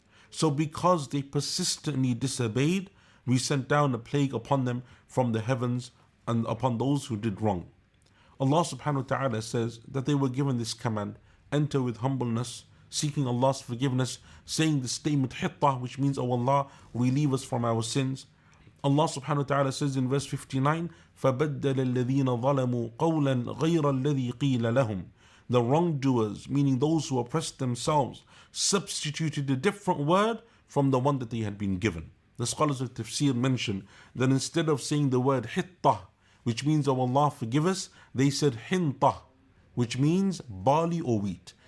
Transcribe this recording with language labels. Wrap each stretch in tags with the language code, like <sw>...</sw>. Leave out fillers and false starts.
<en>So because they persistently disobeyed, we sent down a plague upon them from the heavens and upon those who did wrong. Allah subhanahu wa ta'ala says that they were given this command, enter with humbleness, seeking Allah's forgiveness, saying the statement hittah, which means, O Allah, relieve us from our sins. Allah subhanahu wa ta'ala says in verse 59,</en> <ar>فَبَدَّلَ الَّذِينَ ظَلَمُوا قَوْلًا غَيْرَ الَّذِي قِيلَ لَهُمْ.</ar> <en>The wrongdoers, meaning those who oppressed themselves, substituted a different word from the one that they had been given. The scholars of tafsir mention that instead of saying the word hittah, which means, O Allah, forgive us, they said hintah, which means barley or wheat.</en>